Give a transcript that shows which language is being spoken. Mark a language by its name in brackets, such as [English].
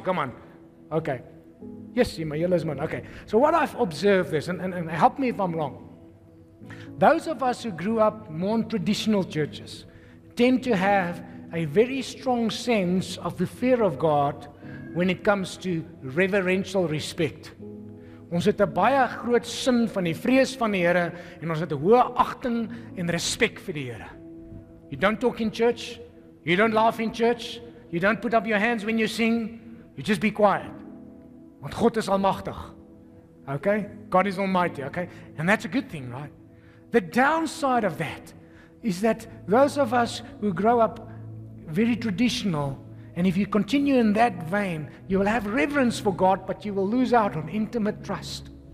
[English] Come on. Okay. Yes, Sima, Yelizman. Okay. So what I've observed is, and help me if I'm wrong, those of us who grew up more in traditional churches tend to have a very strong sense of the fear of God when it comes to reverential respect. [Afrikaans] Ons het 'n baie groot sin van die vrees van die Here en ons het 'n hoë agting en respek vir die Here. [English] You don't talk in church, you don't laugh in church, you don't put up your hands when you sing, you just be quiet. [Afrikaans] Want God is almagtig. [English] Okay? God is almighty, okay? And that's a good thing, right? The downside of that is that those of us who grow up very traditional, and if you continue in that vein, you will have reverence for God, but you will lose out on intimate trust.